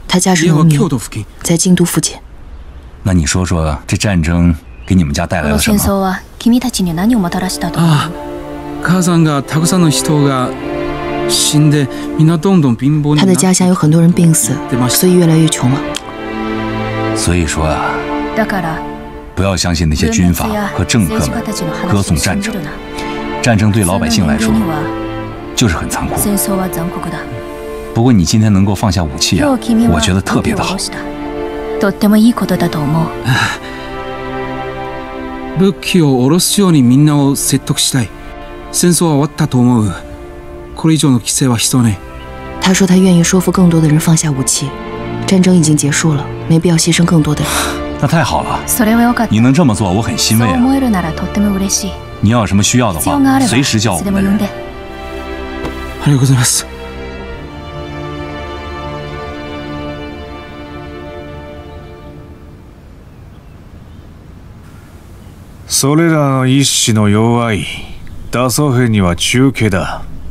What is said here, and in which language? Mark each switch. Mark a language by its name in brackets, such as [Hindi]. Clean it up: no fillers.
[Chinese] 他家是农民，在京都附近。那你说说，这战争给你们家带来了什么？ [Japanese] この戦争は君たちに何をもたらしたと？ああ、母さんがたくさんの人が死んで、みんなどんどん貧乏になって。 [Chinese] 他的家乡有很多人病死，所以越来越穷了。所以说啊， [Japanese] だから [Chinese] 不要相信那些军阀和政客们歌颂战争。战争对老百姓来说就是很残酷。 [Japanese] 戦争は残酷だ。 [Chinese] 不过你今天能够放下武器啊，我觉得特别的好。 [Japanese] とってもいいことだと思う。武器を下ろすようにみんなを説得したい。戦争は終わったと思う。これ以上の犠牲は必要ない。 [Chinese] 他说他愿意说服更多的人放下武器，战争已经结束了，没必要牺牲更多的人。那太好了。 [Japanese] それはよかった。 [Chinese] 你能这么做，我很欣慰啊。 [Japanese] そう思えるならとっても嬉しい。 [Chinese] 你要有什么需要的话，随时叫我们的人。 [Japanese] ありがとうございます。それらの一種の弱い打掃兵には中継だ。